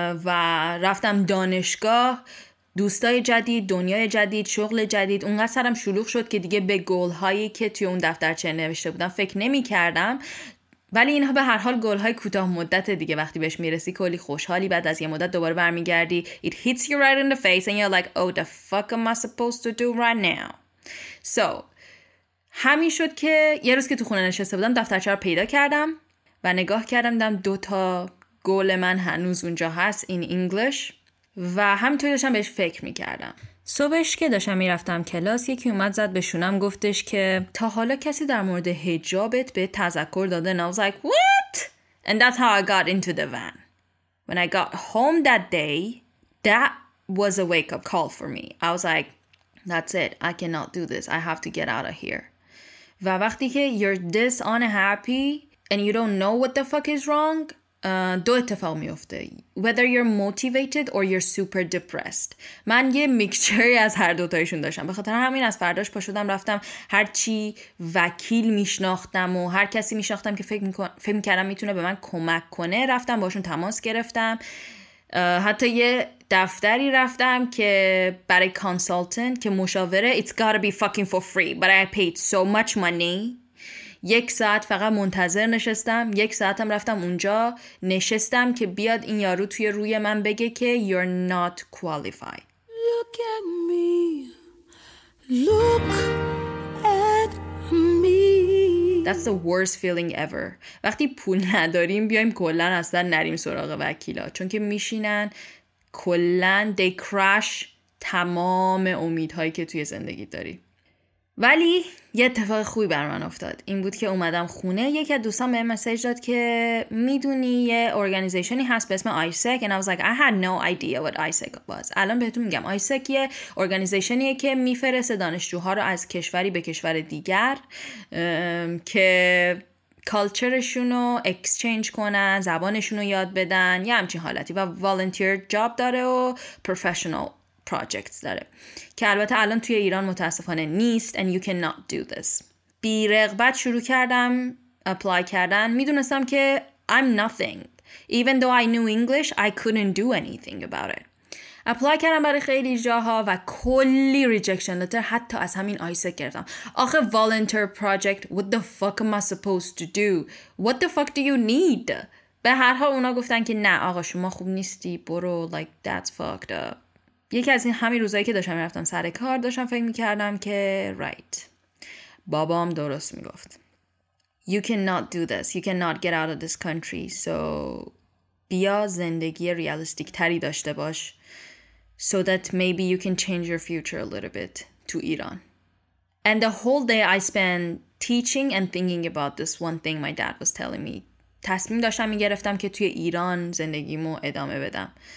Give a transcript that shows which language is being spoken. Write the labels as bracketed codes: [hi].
[fa] و رفتم دانشگاه، دوستای جدید، دنیای جدید، شغل جدید. اونقدر سرم شلوغ شد که دیگه به گول هایی که توی اون دفترچه نوشته بودم فکر نمی کردم، ولی اینها به هر حال گل‌های کوتاه مدت دیگه. وقتی بهش میرسی کلی خوشحالی، بعد از یه مدت دوباره برمیگردی. [en] It hits you right in the face and you're like, oh, the fuck am I supposed to do right now? [fa] So, همین شد که یه روز که تو خونه نشسته بودم دفترچه رو پیدا کردم و نگاه کردم، دم دوتا گل من هنوز اونجا هست [en] in English [fa] و همینطور داشتم بهش فکر میکردم. صبحش که داشتم میرفتم کلاس یکی اومد زد به شونم، گفتش که تا حالا کسی در مورد حجابت به تذکر داده؟ [en] And I was like, what? And that's how I got into the van. When I got home that day, that was a wake-up call for me. I was like, that's it. I cannot do this. I have to get out of here. [fa] و وقتی که [en] you're this unhappy and you don't know what the fuck is wrong, [fa] دو اتفاق میفته. [en] Whether you're motivated or you're super depressed. [fa] من یه میکچری از هر دوتایشون داشتم. به خاطر همین از فرداش پاشدم رفتم هرچی وکیل میشناختم و هر کسی میشناختم که فکر میکردم میتونه به من کمک کنه، رفتم باشون تماس گرفتم. حتی یه دفتری رفتم که برای کانسالتنت که مشاوره. [en] It's gotta be fucking for free, but I paid so much money. [fa] یک ساعت فقط منتظر نشستم، یک ساعتم رفتم اونجا نشستم که بیاد این یارو توی روی من بگه که [en] you're not qualified. Look at me, look at me. That's the worst feeling ever. [fa] وقتی پول نداریم بیایم کلن اصلا نریم سراغ وکیلا، چون که میشینن کلن [en] they crash [fa] تمام امیدهایی که توی زندگی داری. ولی یه اتفاق خوبی بر من افتاد. این بود که اومدم خونه، یکی از دوستان به مسیج داد که میدونی یه ارگانیزیشنی هست به اسم ISEC. [en] And I was like, I had no idea what ISEC was. [fa] الان بهتون میگم. ISEC یه ارگانیزیشنیه که میفرسته دانشجوها رو از کشوری به کشور دیگر که کالچرشون رو اکسچنج کنن، زبانشون رو یاد بدن، یه همچین حالتی. و والنتیر جاب داره و پروفشنال پروژکت داره، که البته الان توی ایران متاسفانه نیست. [en] And you cannot do this. [fa] بی رغبت شروع کردم اپلای کردن. میدونستم که [en] I'm nothing. Even though I knew English, I couldn't do anything about it. [fa] اپلای کردم برای خیلی جاها و کلی ریجکشن لتر، حتی از همین آیسه کردم. آخه [en] volunteer project, what the fuck am I supposed to do? What the fuck do you need? [fa] به هر حال اونا گفتن که نه آقا شما خوب نیستی، برو. [en] Like that's fucked up. [fa] یکی از این همین روزایی که داشتم میرفتم سر کار، داشتم فکر میکردم که right. بابام درست میگفت. [en] You cannot do this. You cannot get out of this country. [fa] So بیا زندگی ریالیستیک تری داشته باش. [en] So that maybe you can change your future a little bit to Iran. And the whole day I spent teaching and thinking about this one thing my dad was telling me. [fa] تصمیم داشتم میگرفتم که توی ایران زندگیمو ادامه بدم.